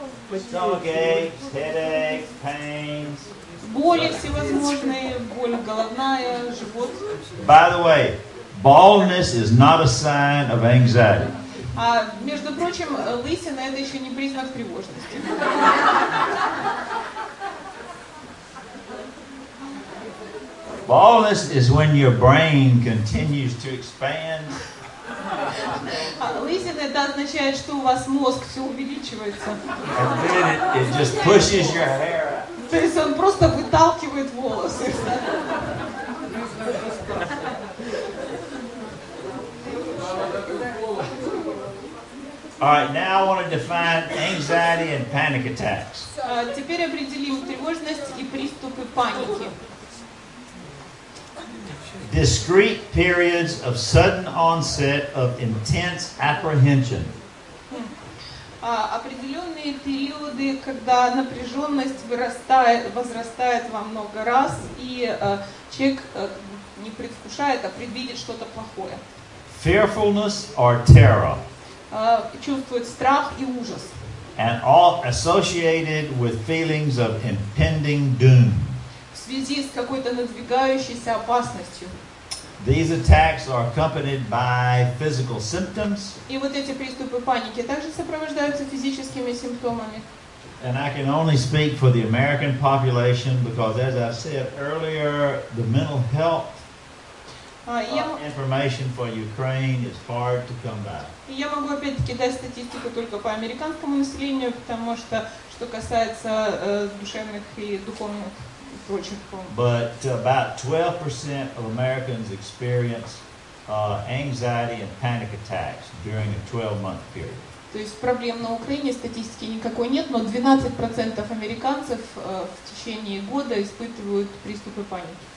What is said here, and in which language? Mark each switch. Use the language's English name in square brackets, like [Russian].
[English] Stomachaches, headaches, pains. [Russian] Боли всевозможные, боль головная, живот. [English] By the way, baldness is not a sign of anxiety. [Russian] А между прочим, лысина это еще не признак тревожности. [English] Baldness is when your brain continues to expand. [Russian] Лысина это означает, что у вас мозг все увеличивается. [English] And then it just pushes your hair out. [Russian] То есть он просто выталкивает волосы. [English] All right, now I want to define anxiety and panic attacks. [Russian] Теперь определим тревожность и приступы паники. [English] Discrete periods of sudden onset of intense apprehension. [Russian] Определенные периоды, когда напряженность вырастает, возрастает во много раз, и человек не предвкушает, а предвидит что-то плохое. [English] Fearfulness or terror. [Russian] Чувствует страх и ужас. [English] And all associated with feelings of impending doom. [Russian] В связи с какой-то надвигающейся опасностью. [English] These attacks are accompanied by physical symptoms. [Russian] И вот эти приступы паники также сопровождаются физическими симптомами. [English] And I can only speak for the American population because, as I said earlier, the mental health information for Ukraine is hard to come by. [Russian] Я могу опять-таки дать статистику только по американскому населению, потому что, что касается душевных и духовных. [English] But about 12% of Americans experience anxiety and panic attacks during a 12-month period. [Russian] То есть проблем на Украине статистики никакой нет, но 12% американцев в течение года испытывают приступы паники.